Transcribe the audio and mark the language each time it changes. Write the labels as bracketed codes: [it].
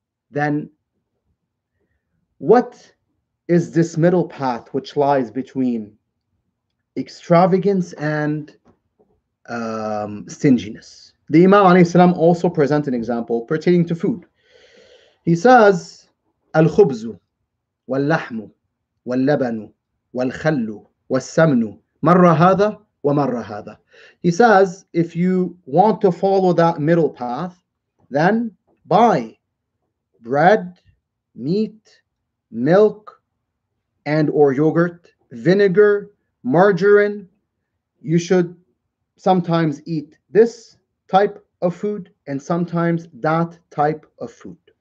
[en] Then, what is this middle path which lies between extravagance and stinginess? The Imam alayhi salam also presents an example pertaining to food. He says, [ar] الْخُبْزُ وَاللَّحْمُ وَاللَّبَنُ وَالْخَلُّ وَالسَّمْنُ مَرَّ هَذَا وَمَرَّ هَذَا. [en] He says, if you want to follow that middle path, then buy bread, meat, milk, and or yogurt, vinegar, margarine. You should sometimes eat this type of food and sometimes that type of food.